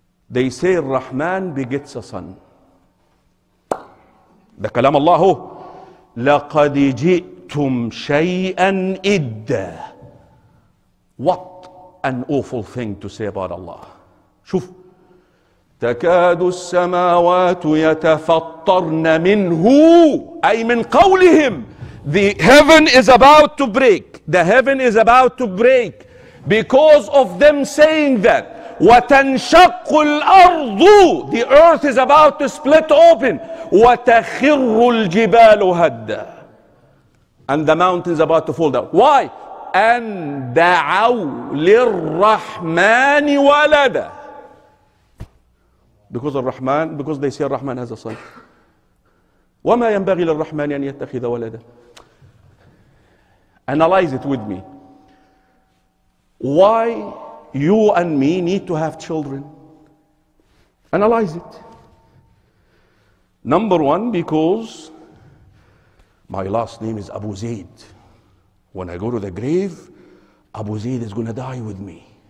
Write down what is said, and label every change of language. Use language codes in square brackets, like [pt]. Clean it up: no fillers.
[en] They say Rahman begets a son. The kalam Allah. [ar] لَقَدْ جِئْتُمْ شَيْئًا إِدَّا. [en] What an awful thing to say about Allah. [ar] شوف. تكاد السماوات يتفطرن منه, أي من قولهم. [en] The heaven is about to break. The heaven is about to break because of them saying that. [ar] وتنشق الأرض, [en] the earth is about to split open. [ar] وتخر الجبال هدا, [en] and the mountains about to fall down. Why? [ar] أن دعوا للرحمن ولدا. [en] Because الرحمن, because they say الرحمن has a son. [ar] وما ينبغي للرحمن أن يتخذ ولدا. [en] Analyze it with me. Why you and me need to have children? Analyze it. Number one, because my last name is AbuZaid. When I go to the grave, AbuZaid is going to die with me.